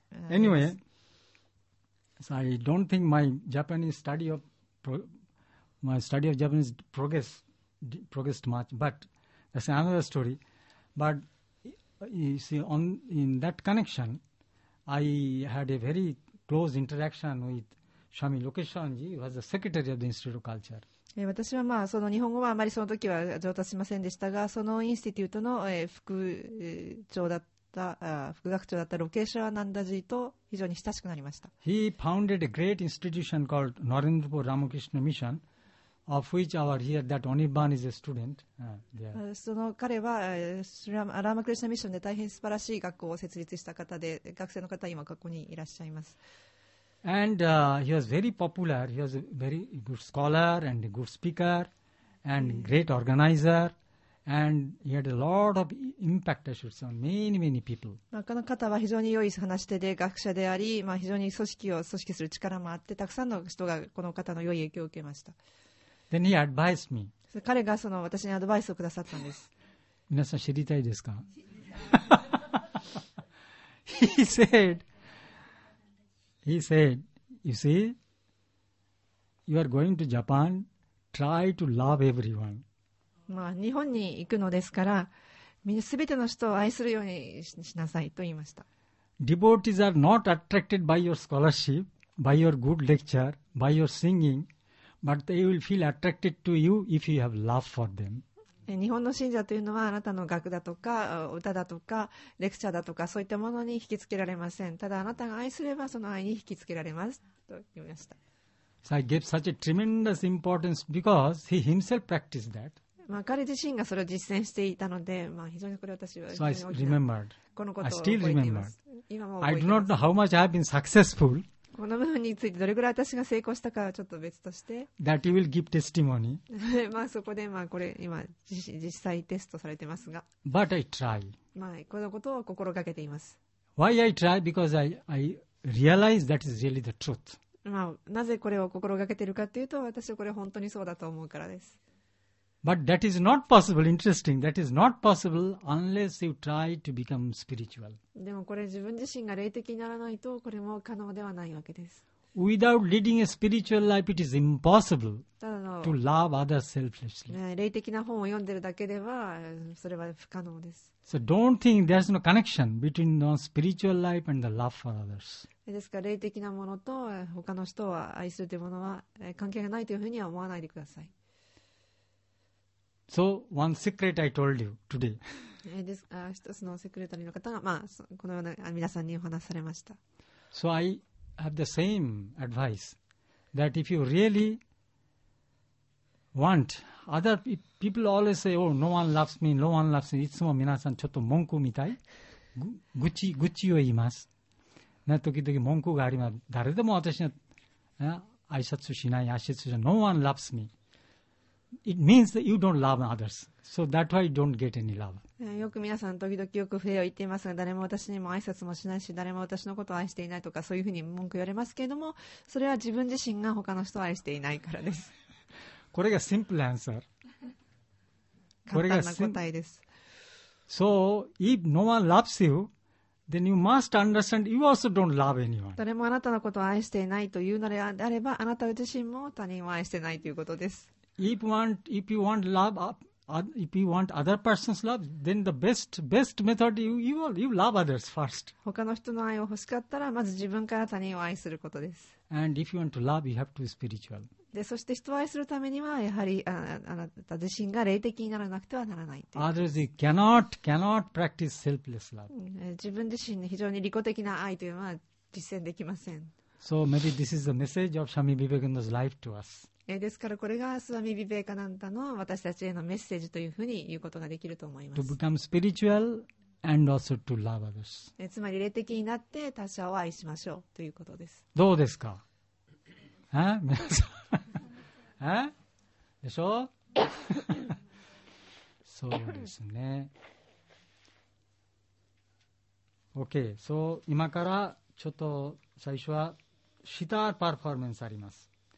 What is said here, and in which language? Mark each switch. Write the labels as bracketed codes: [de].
[en] Anyway, so I don't think my Japanese study of Japanese progressed much, but that's another story. But you see, in that connection I had a very close interaction withShwami Lokeshwaranji was the secretary of the Institute of Culture. [ja] 私はまあその日本語はあまりその時は上達しませんでしたが、そのインスティテュートの副長だった副学長だったロケシュワナンダジと非常に親しくなりました。 [en] He founded a great institution called Narendrapur Ramakrishna Mission, of which our here that Anirban is a student. [ja] その彼はラマクリシナミッションで大変素晴らしい学校を設立した方で、学生の方は今ここにいらっしゃいます。 [en] And he was very popular. He was a very good scholar and a good speaker and great organizer. And he had a lot of impact, I should say, on many, many people. [ja] まあ、この方は非常に良い話し手で学者であり、まあ、非常に組織する力もあって、たくさんの人がこの方の良い影響を受けました。 [en] Then he advised me. [ja] 彼がその私にアドバイスをくださったんです。皆さん知りたいですか？ [en] He said,He said, you see, you are going to Japan, try to love everyone. [ja] まあ、日本に行くのですから、すべての人を愛するようにしなさいと言いました。 [en] Devotees are not attracted by your scholarship, by your good lecture, by your singing, but they will feel attracted to you if you have love for them. [ja] 日本の信者というのはあなたの楽だとか歌だとかレクチャーだとかそういったものに引きつけられません。ただあなたが愛すればその愛に引きつけられますと言いました。 [en] So I gave such a tremendous importance because he himself practiced that. [ja] まあ彼自身がそれを実践していたので、まあ、非常にこれ私は [en] So I remembered. [ja] このことを覚えています。 [en] I still remembered. [ja] 今も覚えています。 [en] I do not know how much I have been successful. [ja] この部分についてどれぐらい私が成功したかはちょっと別として [en] That you will give testimony. [ja] まあそこでまあこれ今実際テストされてますが [en] But I try. [ja] まあこのことを心がけています。 [en] Why I try? Because I realize that is really the truth. [ja] まあなぜこれを心がけているかというと私はこれ本当にそうだと思うからです。 [en] But that is not possible. Interesting. That is not possible unless you try to become spiritual. [ja] でもこれ自分自身が霊的にならないとこれも可能ではないわけです。 [en] Without leading a spiritual life, it is impossible to love others selflessly. [ja] 霊的な本を読んでるだけではそれは不可能です。 [en] So don't think there's no connection between the spiritual life and the love for others. [ja] ですから霊的なものと他の人を愛するというものは関係がないというふうには思わないでください。 [en] So one secret I told you today. [ja] ですから一つのセクレタリーの方が、まあ、このような皆さんにお話されました。 [en] So I have the same advice that if you really want other people always say, oh, no one loves me, no one loves me. [ja] いつも皆さんちょっと文句みたい愚痴を言います。時々文句があります。誰でも私に挨拶しない、挨拶しない。 [en] No one loves me. It means that you don't love others. So that's why you don't get any love. [ja] よく皆さん時々よく不平を言っていますが、誰も私にも挨拶もしないし、誰も私のことを愛していないとか、そういうふうに文句言われますけれども、それは自分自身が他の人を愛していないからです。これがシンプルアンサー。簡単な答えです。 [en] So, if no one loves you,Then you must understand you also don't love anyone. [ja] 誰もあなたのことを愛していないというのであれば、あなた自身も他人を愛していないということです。 [en] If you want other person's love, then the best method you love others first. [ja] 他の人の愛を欲しかったら、まず自分から他人を愛することです。 [en] And if you want to love, you have to be spiritual. [ja] で、そして人を愛するためには、やはりあなた自身が霊的にならなくてはならない。 [en] Others, you cannot practice selfless love. [ja] 自分自身に非常に利己的な愛というのは実践できません。 [en] So maybe this is the message of Swami Vivekananda's life to us. [ja] ですからこれがスワミビベーカナンダの私たちへのメッセージというふうに言うことができると思います。 [en] To become spiritual and also to love others. [ja] つまり霊的になって他者を愛しましょうということです。どうですか？皆さん。でしょ？そうですね。 OK、そう、今からちょっと最初はシターパフォーマンスあります。